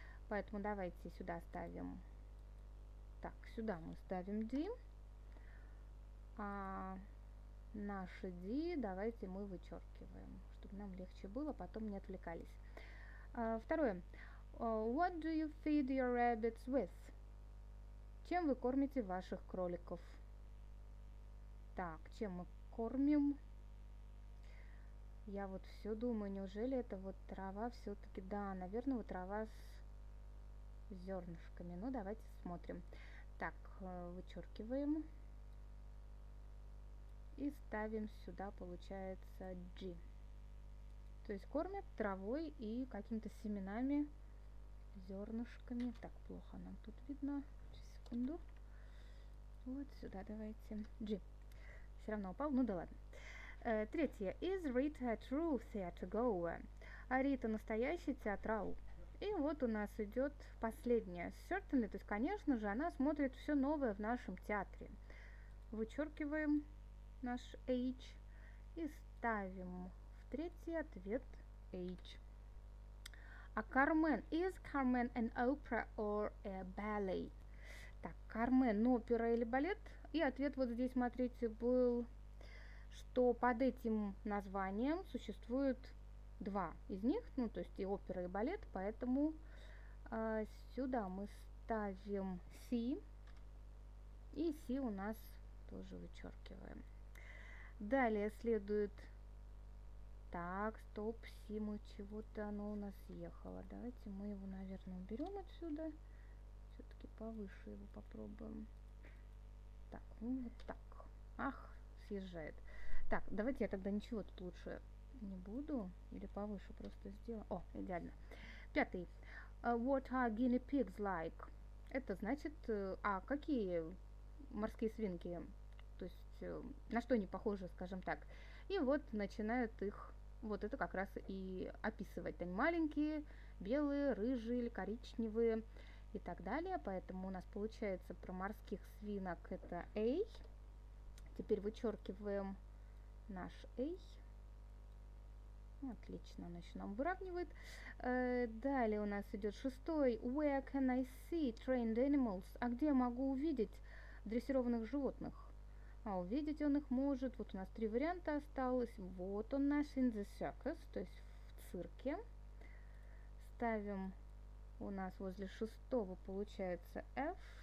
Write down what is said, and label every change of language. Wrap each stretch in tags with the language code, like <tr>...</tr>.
<ru>Поэтому давайте сюда ставим. Так, сюда мы ставим D. А наши D давайте мы вычеркиваем, чтобы нам легче было, потом не отвлекались. Второе.</ru> <en>What do you feed your rabbits with?</en> <ru>Чем вы кормите ваших кроликов? Так, чем мы кормим? Я вот все думаю, неужели это вот трава все-таки? Да, наверное, вот трава с зернышками. Ну, давайте смотрим. Так, вычеркиваем. И ставим сюда, получается, G. То есть кормят травой и какими-то семенами, зернышками. Так, плохо нам тут видно. Сейчас, секунду. Вот сюда давайте. G. Все равно упал. Ну, да ладно. Третье.</ru> <en>Is Rita a true theatergoer?</en> <ru>А Рита настоящий театрал? И вот у нас идет последнее. Certainly, то есть, конечно же, она смотрит все новое в нашем театре. Вычеркиваем наш H и ставим в третий ответ H.</ru> <en>А Кармен, is Carmen an opera or a ballet?</en> <ru>Так, Кармен, опера или балет? И ответ вот здесь, смотрите, был, что под этим названием существует два из них, ну, то есть и опера, и балет, поэтому сюда мы ставим C, и C у нас тоже вычеркиваем. Далее следует... Так, стоп, C, мы чего-то, оно у нас съехало. Давайте мы его, наверное, уберем отсюда. Все-таки все-таки повыше его попробуем. Так, вот так. Ах, съезжает. Так, давайте я тогда ничего тут лучше не буду. Или повыше просто сделаю. О, идеально. Пятый.</ru> <en>What are guinea pigs like?</en> <ru>Это значит, а какие морские свинки? То есть, на что они похожи, скажем так. И вот начинают их, вот это как раз и описывать. Они маленькие, белые, рыжие или коричневые и так далее. Поэтому у нас получается про морских свинок это A. Теперь вычеркиваем наш A. Отлично, он еще нам выравнивает. Далее у нас идет шестой.</ru> <en>Where can I see trained animals?</en> <ru>А где я могу увидеть дрессированных животных? А увидеть он их может. Вот у нас три варианта осталось. Вот он наш</ru> <en>in the circus,</en> <ru>то есть в цирке. Ставим у нас возле шестого получается F.</ru>